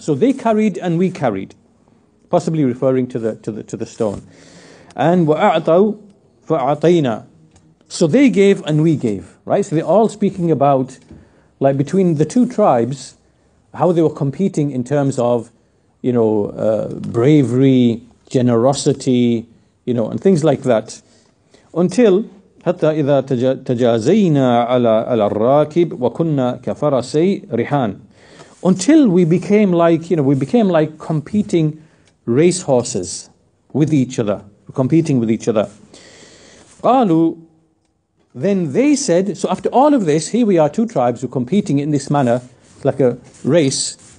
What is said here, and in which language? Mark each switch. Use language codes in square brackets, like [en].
[en] So they carried and we carried, possibly referring to the stone. And [ar] وَأَعْطَوْا فَأَعْطَيْنَا. [en] So they gave and we gave, right? So they're all speaking about, like, between the two tribes, how they were competing in terms of, you know, bravery, generosity, you know, and things like that. until [ar] حتى إذا تجازينا على الراكب وكنا كفرسي رحان. [en] Until we became like, you know, we became like competing race horses with each other, competing with each other. قالوا, then they said, so after all of this, here we are, two tribes who are competing in this manner, like a race.